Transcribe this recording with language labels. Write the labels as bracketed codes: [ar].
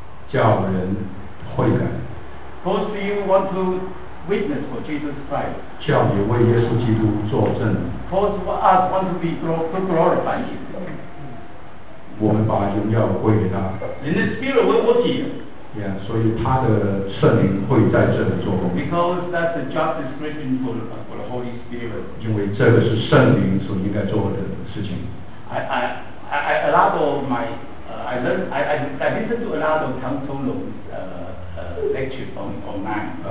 [zh] 叫人悔改 [en] calls you want to witness for Jesus Christ [zh] 叫你为耶稣基督作证 [en] calls for us want to be to glorify you. [zh] 我们把荣耀归给他。 [en] In the spirit will work here. [zh] Yeah, 所以他的圣灵会在这里做工。 [en] Because that's the job description for the Holy Spirit. [zh] 因为这个是圣灵所应该做的事情。 [en] I a lot of my I listen to a lot of Tang Tolo's lecture online.